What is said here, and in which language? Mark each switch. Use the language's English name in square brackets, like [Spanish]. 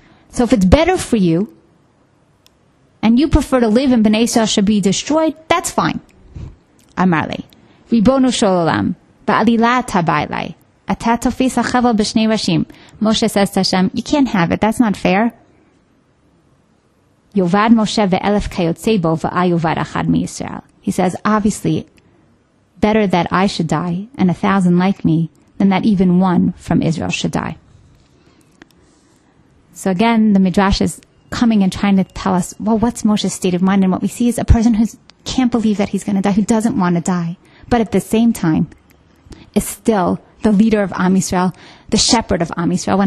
[English] So if it's better for you, and you prefer to live and Bnei Yisrael should be destroyed, that's fine. [Hebrew] אמר לי, ריבונו של עולם, בעלילה אתה בא אליי. אתה תופיס החבל בשני ראשים. [English] משה says to Hashem, you can't have it, that's not fair. [Hebrew] יובד משה ואלף כיוצא בו, ואה יובד אחד מישראל. [English] He says, obviously, better that I should die, and 1,000 like me, than that even one from Israel should die. So again, the Midrash is coming and trying to tell us, well, what's Moshe's state of mind? And what we see is a person who can't believe that he's going to die, who doesn't want to die, but at the same time, is still the leader of Am Yisrael, the shepherd of Am Yisrael.